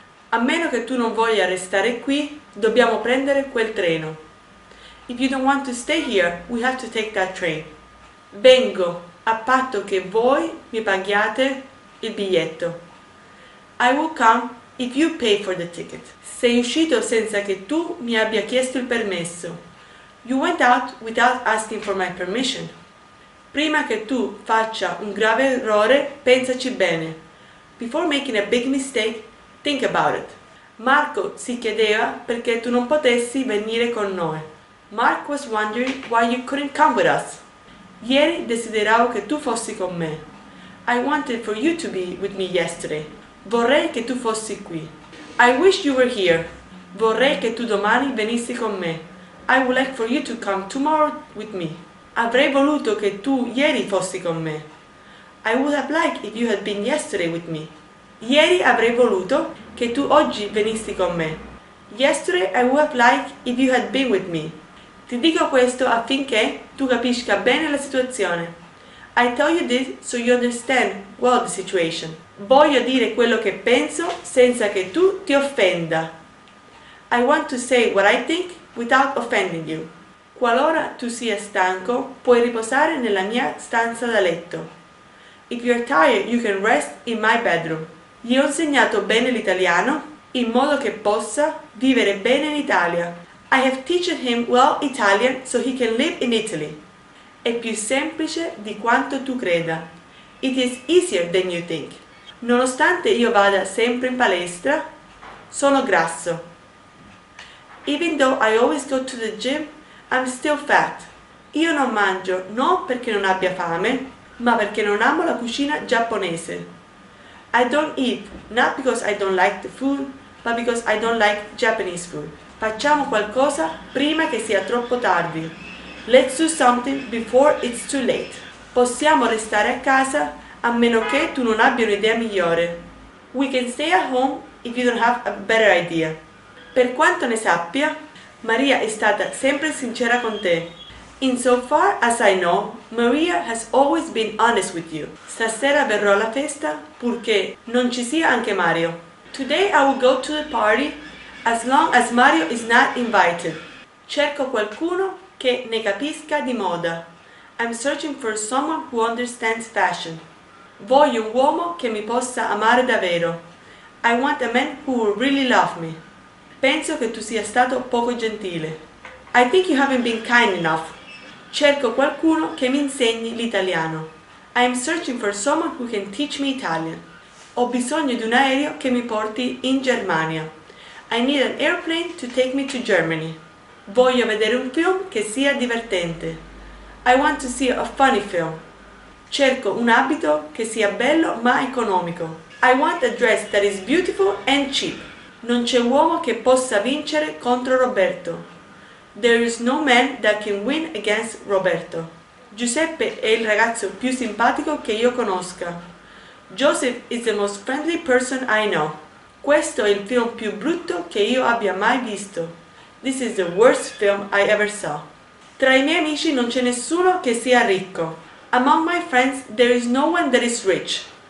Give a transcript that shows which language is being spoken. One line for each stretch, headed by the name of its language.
Italian: A meno che tu non voglia restare qui, dobbiamo prendere quel treno.
English: If you don't want to stay here, we have to take that train.
Italian: Vengo. a patto che voi mi paghiate il biglietto.
English: I will come if you pay for the ticket.
Italian: Sei uscito senza che tu mi abbia chiesto il permesso.
English: You went out without asking for my permission.
Italian: Prima che tu faccia un grave errore, pensaci bene.
English: Before making a big mistake, think about it.
Italian: Marco si chiedeva perché tu non potessi venire con noi.
English: Mark was wondering why you couldn't come with us.
Italian: Ieri desideravo che tu fossi con me.
English: I wanted for you to be with me yesterday.
Italian: Vorrei che tu fossi qui.
English: I wish you were here.
Italian: Vorrei che tu domani venissi con me.
English: I would like for you to come tomorrow with me.
Italian: Avrei voluto che tu ieri fossi con me.
English: I would have liked if you had been yesterday with me.
Italian: Ieri avrei voluto che tu oggi venissi con me.
English: Yesterday I would have liked if you had been with me.
Italian: Ti dico questo affinché tu capisca bene la situazione.
English: I tell you this so you understand well the situation.
Italian: Voglio dire quello che penso senza che tu ti offenda.
English: I want to say what I think without offending you.
Italian: Qualora tu sia stanco, puoi riposare nella mia stanza da letto.
English: If you're tired, you can rest in my bedroom.
Italian: Gli ho insegnato bene l'italiano in modo che possa vivere bene in Italia.
English: I have taught him well Italian so he can live in Italy.
Italian: È più semplice di quanto tu creda.
English: It is easier than you think.
Italian: Nonostante io vada sempre in palestra, sono grasso.
English: Even though I always go to the gym, I'm still fat.
Italian: Io non mangio non perché non abbia fame, ma perché non amo la cucina giapponese.
English: I don't eat not because I don't like the food, but because I don't like Japanese food.
Italian: Facciamo qualcosa prima che sia troppo tardi.
English: Let's do something before it's too late.
Italian: Possiamo restare a casa a meno che tu non abbia un'idea migliore.
English: We can stay at home if you don't have a better idea.
Italian: Per quanto ne sappia, Maria è stata sempre sincera con te.
English: In so far as I know, Maria has always been honest with you.
Italian: Stasera verrò alla festa purché non ci sia anche Mario.
English: Today I will go to the party as long as Mario is not invited.
Italian: Cerco qualcuno che ne capisca di moda.
English: I'm searching for someone who understands fashion.
Italian: Voglio un uomo che mi possa amare davvero.
English: I want a man who will really love me.
Italian: Penso che tu sia stato poco gentile.
English: I think you haven't been kind enough.
Italian: Cerco qualcuno che mi insegni l'italiano.
English: I am searching for someone who can teach me Italian.
Italian: Ho bisogno di un aereo che mi porti in Germania.
English: I need an airplane to take me to Germany.
Italian: Voglio vedere un film che sia divertente.
English: I want to see a funny film.
Italian: Cerco un abito che sia bello ma economico.
English: I want a dress that is beautiful and cheap.
Italian: Non c'è uomo che possa vincere contro Roberto.
English: There is no man that can win against Roberto.
Italian: Giuseppe è il ragazzo più simpatico che io conosca.
English: Joseph is the most friendly person I know.
Italian: Questo è il film più brutto che io abbia mai visto.
English: This is the worst film I ever saw.
Italian: Tra i miei amici non c'è nessuno che sia ricco.
English: Among my friends there is no one that is rich.